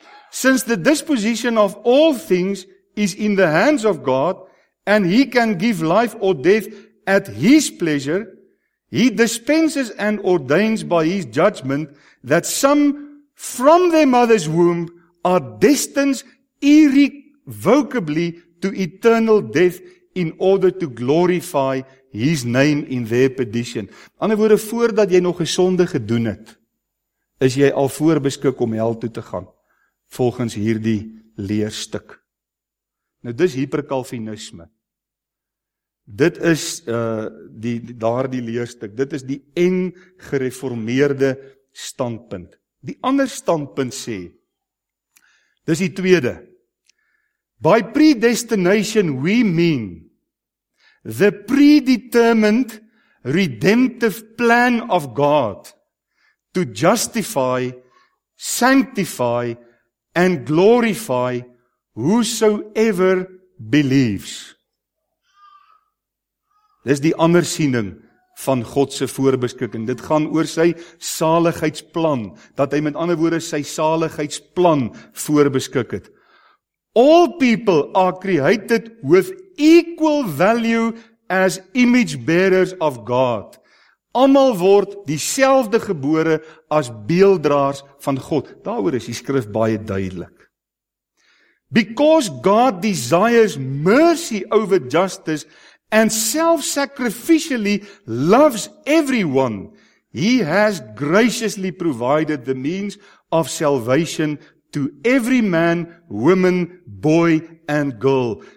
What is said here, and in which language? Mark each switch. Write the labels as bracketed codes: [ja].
[en] Since the disposition of all things is in the hands of God, and he can give life or death at his pleasure, he dispenses and ordains by his judgment that some from their mother's womb are destined irrevocably to eternal death in order to glorify his name in their perdition. [af] Ander woorde, voordat jy nog 'n sonde gedoen het, is jy al voorbeskik om hel toe te gaan, volgens hierdie leerstuk. Nou, dis hyperkalvinisme. Dit is die leerstuk. Dit is die en gereformeerde standpunt. Die ander standpunt sê, dis die tweede, [en] by predestination we mean the predetermined redemptive plan of God to justify, sanctify and glorify whosoever believes. [af] Dis die ander siening van God se voorbeskikking. Dit gaan oor sy saligheidsplan, dat hy met ander woorde sy saligheidsplan voorbeskik het. [en] All people are created with equal value as image bearers of God. [af] Almal word dieselfde gebore as beelddraers van God. Daaroor is die skrif baie duidelik. [en] Because God desires mercy over justice and self-sacrificially loves everyone, he has graciously provided the means of salvation to every man, woman, boy and girl.